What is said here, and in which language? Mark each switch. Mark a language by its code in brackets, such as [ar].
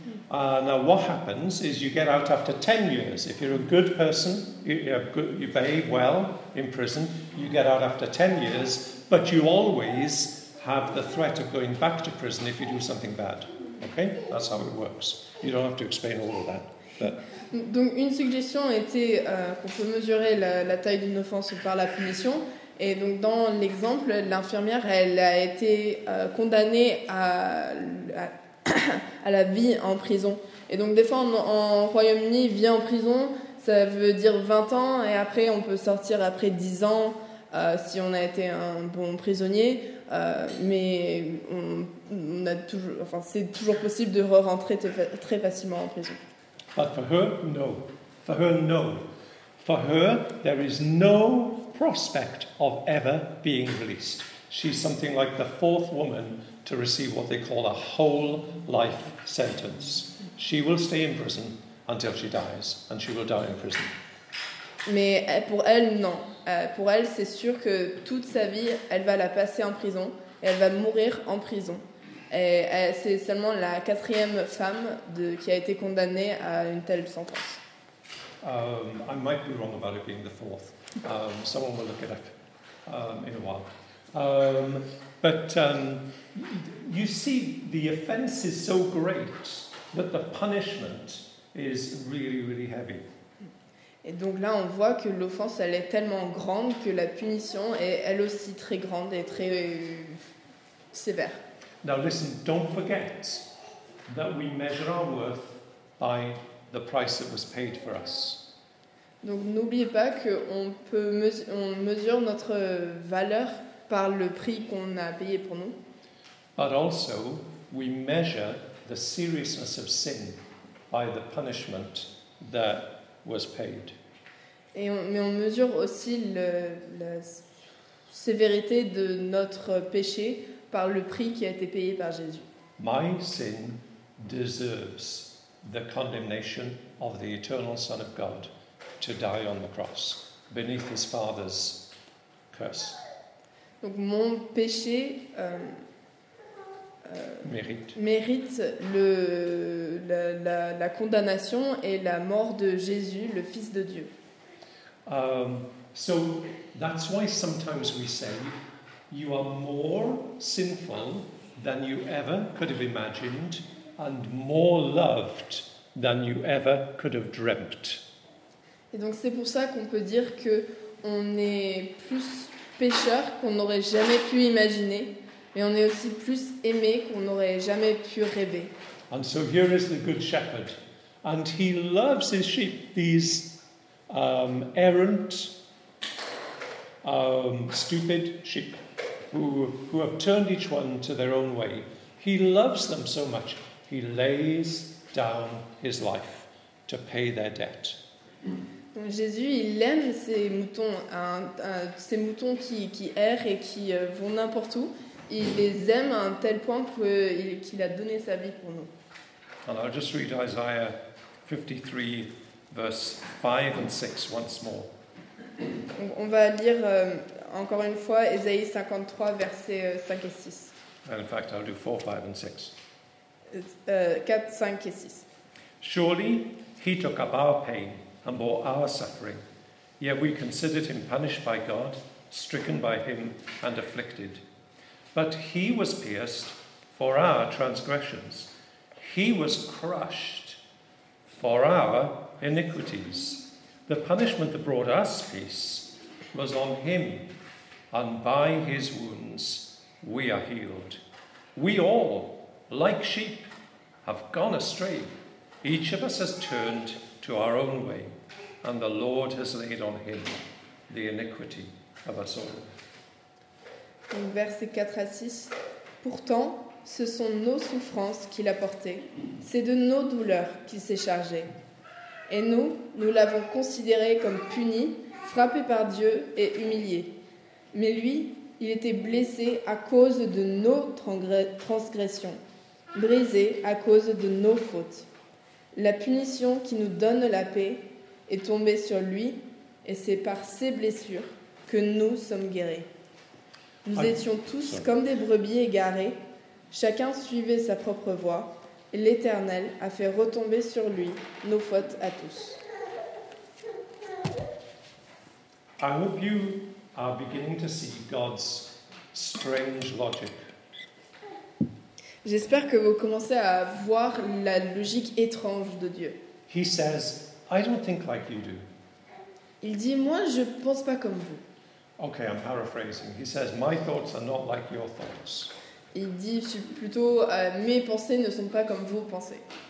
[en] Now, what happens is you get out after 10 years. If you're a good person, you behave well in prison, you get out after 10 years, but you always have the threat of going back to prison if you do something bad. Okay? That's how it works. You don't have to explain all of that. But... [fr] Donc, une suggestion était qu'on peut mesurer la taille d'une offense par la punition. Et donc, dans l'exemple, l'infirmière, elle a été condamnée à la vie en prison. Et donc, des fois, en Royaume-Uni, vie en prison, ça veut dire 20 ans, et après, on peut sortir après 10 ans. si on a été un bon prisonnier, mais on a toujours, enfin, c'est toujours possible de re-rentrer très facilement en prison. [en] But for her, no. For her, no. For her, there is no prospect of ever being released. She's something like the fourth woman to receive what they call a whole life sentence. She will stay in prison until she dies, and she will die in prison. [fr] Mais pour elle, non. Pour elle, c'est sûr que toute sa vie, elle va la passer en prison, et elle va mourir en prison. Et c'est seulement la quatrième femme qui a été condamnée à une telle sentence. [en] I might be wrong about it being the fourth. Someone will look it up in a while. But you see, the offense is so great that the punishment is really, really heavy. [fr] Et donc là, on voit que l'offense, elle est tellement grande que la punition est elle aussi très grande et très sévère. [en] Now listen, don't forget that we measure our worth by the price that was paid for us. [fr] Donc n'oubliez pas qu'on peut on mesure notre valeur par le prix qu'on a payé pour nous. [en] But also, we measure the seriousness of sin by the punishment that was paid. [fr] Mais on mesure aussi la sévérité de notre péché par le prix qui a été payé par Jésus. [en] My sin deserves the condemnation of the eternal Son of God to die on the cross beneath his Father's curse. [fr] Donc mon péché mérite la condamnation et la mort de Jésus, le Fils de Dieu. [en] So that's why sometimes we say you are more sinful than you ever could have imagined and more loved than you ever could have dreamt. [fr] Et donc c'est pour ça qu'on peut dire que on est plus pécheur qu'on n'aurait jamais pu imaginer, mais on est aussi plus aimé qu'on n'aurait jamais pu rêver. [en] And so here is the good shepherd, and he loves his sheep, these errant, stupid sheep who have turned each one to their own way. He loves them so much, he lays down his life to pay their debt. [fr] Jésus, il aime ces moutons, ces moutons qui errent et qui vont n'importe où. Il les aime à un tel point qu'il a donné sa vie pour nous. [en] And I'll just read Isaiah 53, verse 5 and 6 once more. [fr] On va lire encore une fois Ésaïe 53, versets 5 et 6. [en] And in fact, I'll do 4, 5 and 6. [fr] 4, 5 et 6. [en] Surely, he took up our pain and bore our suffering. Yet we considered him punished by God, stricken by him, and afflicted. But he was pierced for our transgressions. He was crushed for our iniquities. The punishment that brought us peace was on him, and by his wounds we are healed. We all, like sheep, have gone astray. Each of us has turned to our own way, and the Lord has laid on him the iniquity of us all. [fr] Donc, versets 4 à 6. Pourtant, ce sont nos souffrances qu'il a portées, c'est de nos douleurs qu'il s'est chargé. Et nous, nous l'avons considéré comme puni, frappé par Dieu et humilié. Mais lui, il était blessé à cause de nos transgressions, brisé à cause de nos fautes. La punition qui nous donne la paix est tombé sur lui, et c'est par ses blessures que nous sommes guéris. Nous étions tous comme des brebis égarés, chacun suivait sa propre voie, et l'Éternel a fait retomber sur lui nos fautes à tous. [en] I hope you are beginning to see God's strange logic. [fr] J'espère que vous commencez à voir la logique étrange de Dieu. [en] He says, I don't think like you do. [fr] Il dit, moi, je pense pas comme vous. [en] Okay, I'm paraphrasing. He says, my thoughts are not like your thoughts. [fr] Il dit plutôt, mes pensées ne sont pas comme vos pensées.